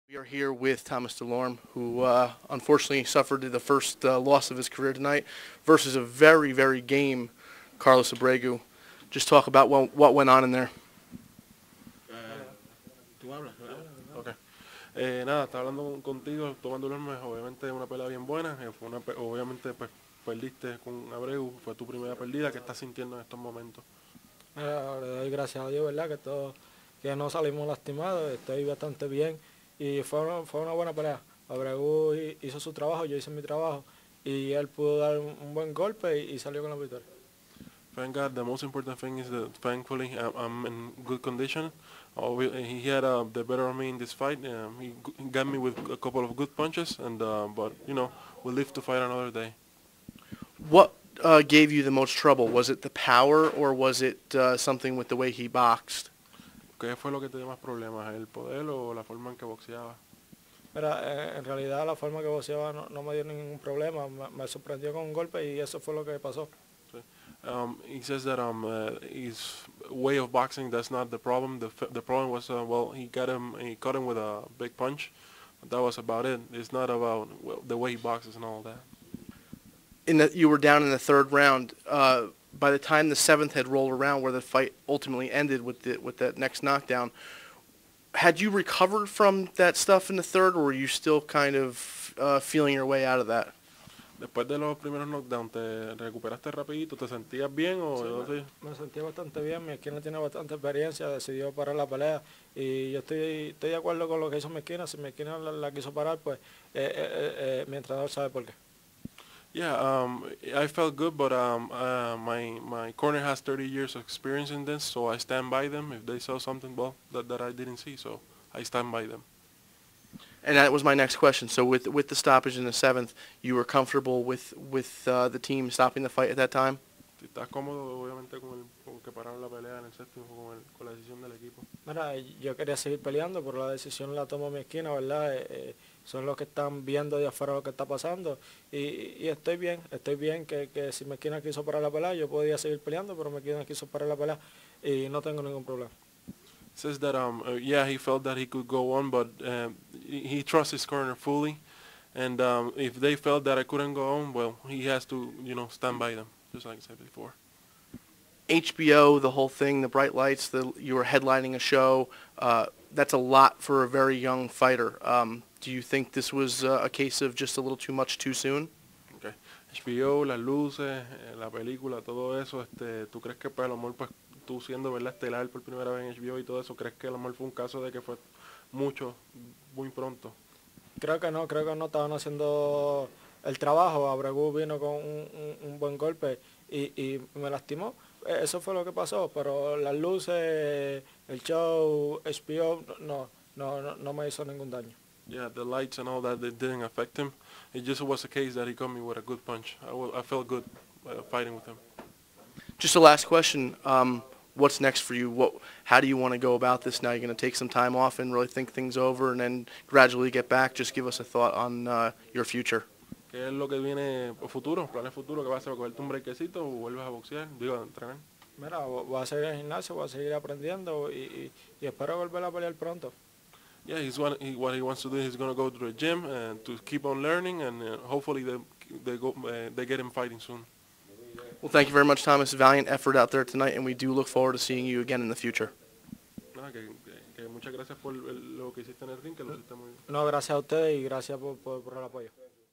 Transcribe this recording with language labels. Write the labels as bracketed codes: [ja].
[en] We are here with Thomas DeLorme, who unfortunately suffered the first loss of his career tonight versus a very, very game Carlos Abreu. Just talk about what went on in there. [es] Nada, está hablando contigo, tomando el hombre, obviamente una pelea bien buena, fue una obviamente pues perdiste con Abreu, fue tu primera pérdida, ¿qué estás sintiendo en estos momentos? Le doy gracias a Dios, ¿verdad? Que no salimos lastimados, estoy bastante bien y fue una buena pelea. Abreu hizo su trabajo, yo hice mi trabajo y él pudo dar un buen golpe y salió con la victoria. [en] Thank God, the most important thing is that thankfully I'm in good condition. He had the better of me in this fight. He got me with a couple of good punches, but you know, we'll live to fight another day. What gave you the most trouble? Was it the power, or was it something with the way he boxed? [es] ¿Qué fue lo que te dio más problemas, el poder o la forma en que boxeaba? Mira, en realidad la forma que boxeaba no me dio ningún problema. Me sorprendió con un golpe y eso fue lo que pasó. [en] He says that his way of boxing, that's not the problem. The problem was, he caught him with a big punch. That was about it. It's not about the way he boxes and all that. You were down in the third round. By the time the seventh had rolled around, where the fight ultimately ended with that next knockdown, had you recovered from that stuff in the third, or were you still kind of feeling your way out of that? [es] Después de los primeros knockdowns, ¿te recuperaste rapidito? ¿Te sentías bien o sí, así? Me sentía bastante bien. Mi esquina tiene bastante experiencia. Decidió parar la pelea. Y yo estoy de acuerdo con lo que hizo mi esquina. Si mi esquina la quiso parar, pues mi entrenador sabe por qué. [en] I felt good, but my corner has 30 years of experience in this, so I stand by them. If they saw something, well, that I didn't see, so I stand by them. And that was my next question. So with the stoppage in the seventh, you were comfortable with the team stopping the fight at that time? [es] ¿Estás cómodo, obviamente, con que pararon la pelea en el séptimo, con la decisión del equipo? Mira, yo quería seguir peleando, pero la decisión la tomó mi esquina, ¿verdad? Son los que están viendo de afuera lo que está pasando. Y estoy bien que si mi esquina quiso parar la pelea, yo podía seguir peleando, pero mi esquina quiso parar la pelea y no tengo ningún problema. [en] Says that he felt that he could go on, but he trusts his corner fully, and if they felt that I couldn't go on, well, he has to, you know, stand by them, just like I said before. HBO, the whole thing, the bright lights, you were headlining a show. That's a lot for a very young fighter. Do you think this was a case of just a little too much too soon? [es] Okay, HBO, las luces, la película, todo eso. ¿Tú crees que para el amor, pues, tú siendo, ¿verdad?, estelar por primera vez en HBO y todo eso, ¿crees que a lo mejor fue un caso de que fue mucho, muy pronto? Creo que no estaban haciendo el trabajo. Abreu vino con un buen golpe y me lastimó. Eso fue lo que pasó, pero las luces, el show, HBO, no me hizo ningún daño. [en] Yeah, the lights and all that, they didn't affect him. It just was a case that he caught me with a good punch. I felt good fighting with him. Just a last question, what's next for you? How do you want to go about this now? You're going to take some time off and really think things over and then gradually get back? Just give us a thought on your future. [es] ¿Qué es lo que viene futuro? ¿Planes futuro? ¿Qué vas a hacer? ¿Cogerte un brequecito o vuelves a boxear? Digo, entrenar. Mira, voy a seguir en gimnasio, voy a seguir aprendiendo y espero volver a pelear pronto. [en] Yeah, what he wants to do is he's going to go to the gym to keep on learning and hopefully they get him fighting soon. Well, thank you very much, Thomas. Valiant effort out there tonight, and we do look forward to seeing you again in the future. [es] Muchas gracias por lo que hiciste en el ring, que lo hiciste muy bien. No, gracias a ustedes y gracias por el apoyo.